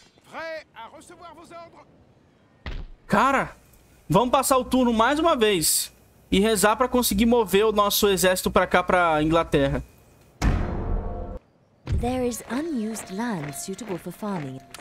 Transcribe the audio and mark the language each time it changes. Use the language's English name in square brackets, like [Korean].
[French] Prêt à recevoir vos ordres. [Portuguese] Cara, vamos passar o turno mais uma vez e rezar para conseguir mover o nosso exército para cá, para Inglaterra. [English] There is unused land suitable for farming.